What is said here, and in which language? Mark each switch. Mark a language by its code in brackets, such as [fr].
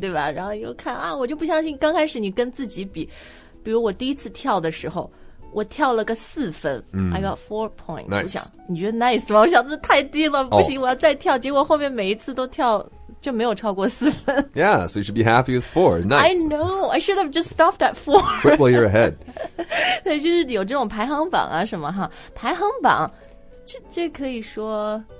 [zh] 对吧然后又看啊我就不相信刚开始你跟自己比比如我第一次跳的时候我跳了个四分、 mm. [en] I got 4 points、 nice. [zh] 我想你觉得 nice 吗我想这太低了、oh. 不行我要再跳结果后面每一次都跳就没有超过四分 [en] Yeah, so you should be happy with 4, nice I know, I should have just stopped at 4 Quickly, you're ahead [zh] 对就是有这种排行榜啊什么哈排行榜这可以说